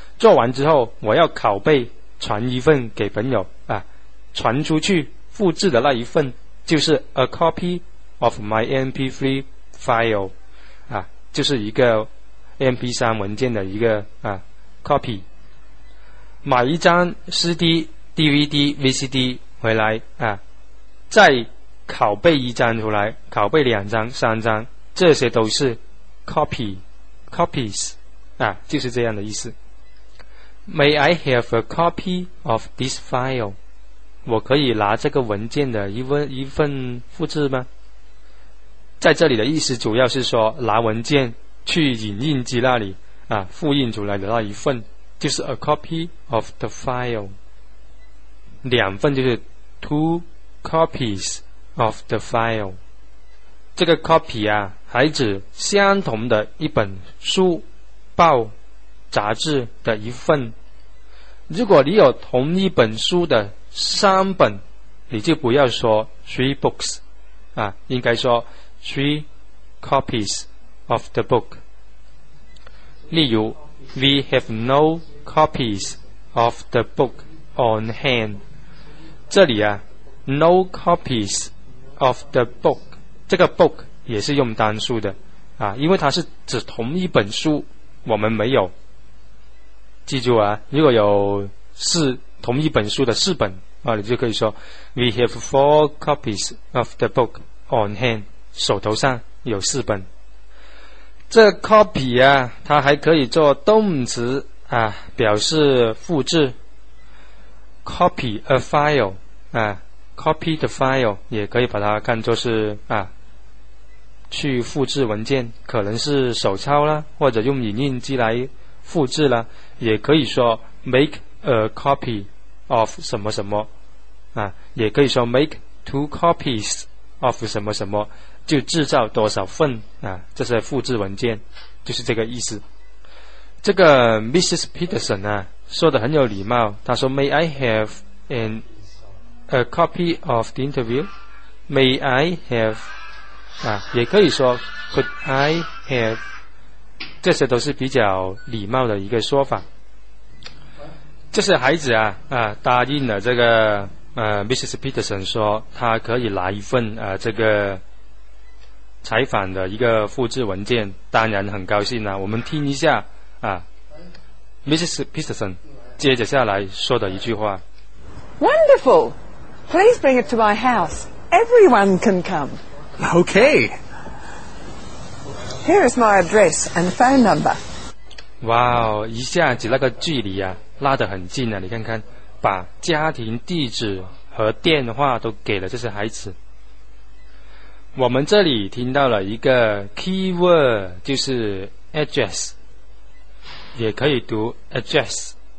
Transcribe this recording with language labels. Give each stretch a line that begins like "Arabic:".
Chinese: 做完之后我要拷贝传一份给朋友啊，传出去复制的那一份就是
English: a copy of my MP3 file
Chinese: 啊，就是一个 MP3 文件的一个啊 copy， 买一张 CD DVD VCD 回来啊，再拷贝一张出来，拷贝两张三张，这些都是 copy copies 啊，就是这样的意思。
English: May I have a copy of this file？
Chinese: 我可以拿这个文件的一份复制吗？在这里的意思主要是说拿文件去影印机那里啊，复印出来的那一份就是
English: a copy of the file，
Chinese: 两份就是
English: two copies of the file。
Chinese: 这个 copy 啊，还指相同的一本书报杂志的一份。如果你有同一本书的三本，你就不要说
English: three books
Chinese: 啊，应该说
English: three copies of the book。
Chinese: 例如
English: we have no copies of the book on hand，
Chinese: 这里啊
English: no copies of the book，
Chinese: 这个 book 也是用单数的啊，因为它是指同一本书我们没有。记住啊，如果有四同一本书的四本啊，你就可以说
English: we have four copies of the book on hand，
Chinese: 手头上有四本。这 copy 啊，它还可以做动词啊，表示复制，
English: copy a file
Chinese: 啊，
English: copy the file
Chinese: 也可以把它看作是啊，去复制文件，可能是手抄啦，或者用影印机来复制啦，也可以说
English: make a copy of
Chinese: 什么什么啊，也可以说
English: make two copies of
Chinese: 什么什么，就制造多少份啊，这是复制文件，就是这个意思。这个 Mrs.
English: Peterson
Chinese: 啊，说得很有礼貌，她说
English: May I have anA copy of the interview? May I have
Chinese: 啊，也可以说
English: Could I have，
Chinese: 这些都是比较礼貌的一个说法。这些孩子 啊答应了这个Mrs. Peterson 说他可以拿一份这个采访的一个复制文件，当然很高兴了。我们听一下啊 Mrs. Peterson 接着下来说的一句话。
English: WonderfulPlease bring it to my house. Everyone can come. Okay. Here is my address and phone number.
Chinese: Wow, 一下子那个距离啊，拉得很近啊，你看看，把家庭地址和电话都给了这些孩子。我们这里听到了一个 keyword， 就是 address， 也可以读 address。